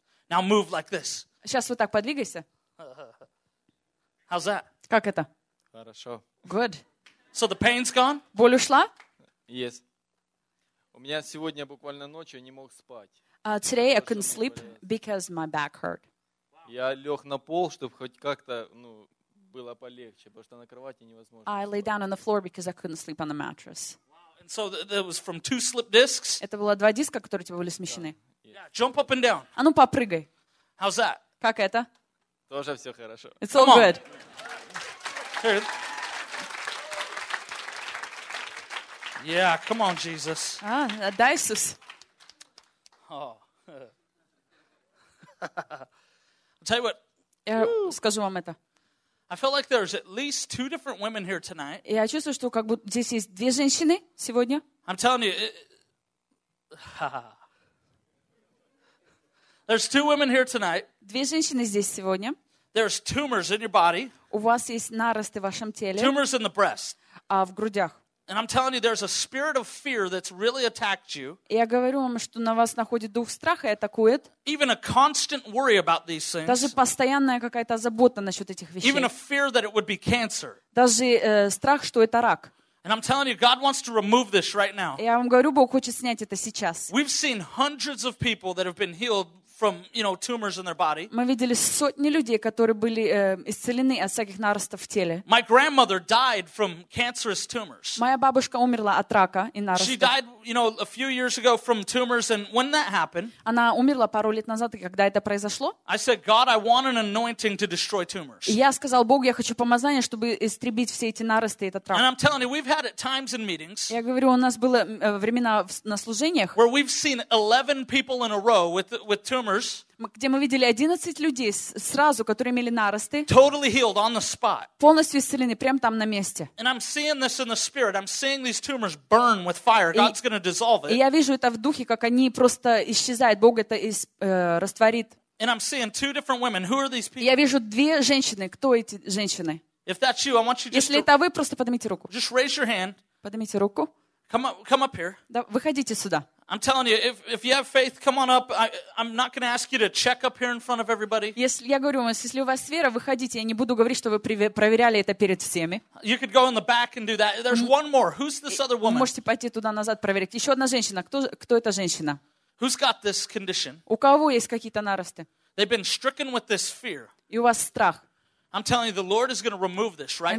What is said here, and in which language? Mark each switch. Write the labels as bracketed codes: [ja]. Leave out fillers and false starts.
[en] Now move like this. [ru] Сейчас вот так подвигайся. [en] How's that? [ru] Как это? Хорошо. [en] Good. So the pain's gone? [ru] Боль ушла? [en] Yes. [ru] У меня сегодня буквально ночью не мог спать. [en] Today I couldn't sleep because my back hurt. [ru] Я лег на пол, чтобы хоть как-то, ну... было полегче, потому что на кровати невозможно. [en] I lay down on the floor because I couldn't sleep on the mattress. Wow. And so that was from two slipped discs. [ru] Это было два диска, которые у тебя были смещены. [en] Yeah, jump up and down. [ru] А ну попрыгай. [en] How's that? [ru] Как это? Тоже все хорошо. [en] It's all good. Yeah, come on, Jesus. [ru] А, да, Иисус. [en] I'll tell you what. [ru] Я скажу вам это. [en] I feel like there's at least two different women here tonight. [ru] Я чувствую, что как будто здесь есть две женщины сегодня. [en] I'm telling you, there's two women here tonight. [ru] Две женщины здесь сегодня. [en] There's tumors in your body. [ru] У вас есть наросты в вашем теле. [en] Tumors in the breast. [ru] А в грудях. [en] And I'm telling you, there's a spirit of fear that's really attacked you. [ru] Я говорю вам, что на вас находит дух страха и атакует. [en] Even a constant worry about these things. [ru] Даже постоянная какая-то забота насчет этих вещей. [en] Even a fear that it would be cancer. [ru] Даже страх, что это рак. [en] And I'm telling you, God wants to remove this right now. [ru] Я вам говорю, Бог хочет снять это сейчас. [en] We've seen hundreds of people that have been healed from, you know, tumors in their body. [ru] Мы видели сотни людей, которые были исцелены от всяких наростов в теле. [en] My grandmother died from cancerous tumors. [ru] Моя бабушка умерла от рака и наростов. [en] She died, you know, a few years ago from tumors, and when that happened, [ru] она умерла пару лет назад, и когда это произошло, [en] I said, God, I want an anointing to destroy tumors. [ru] Я сказал Богу, я хочу помазание, чтобы истребить все эти наросты и этот рак. [en] And I'm telling you, we've had it times in meetings. [ru] Я говорю, у нас было времена на служениях, [en] where we've seen 11 people in a row with tumors. [ru] Где мы видели 11 людей сразу, которые имели наросты, [en] totally healed on the spot. [ru] Полностью исцелены прямо там на месте. [en] And I'm seeing this in the spirit. I'm seeing these tumors burn with fire. God's going to dissolve it. [ru] И я вижу это в духе, как они просто исчезают. Бог это растворит. [en] And I'm seeing two different women. Who are these people? [ru] Я вижу две женщины. Кто эти женщины? [en] If that's you, I want you just [ru] Если это вы, просто поднимите руку. [en] Just raise your hand. [ru] Поднимите руку. [en] Come up here. [ru] Да, выходите сюда. [en] I'm telling you, if you have faith, come on up. I'm not going to ask you to check up here in front of everybody. [ru] Если я говорю вам, если у вас вера, выходите. Я не буду говорить, что вы проверяли это перед всеми. [en] You could go in the back and do that. There's one more. Who's this other woman? [ru] Можете пойти туда назад проверить. Еще одна женщина. Кто эта женщина? [en] Who's got this condition? [ru] У кого есть какие-то наросты? [en] They've been stricken with this fear. [ru] И у вас страх. [en] I'm telling you, the Lord is going to remove this right now.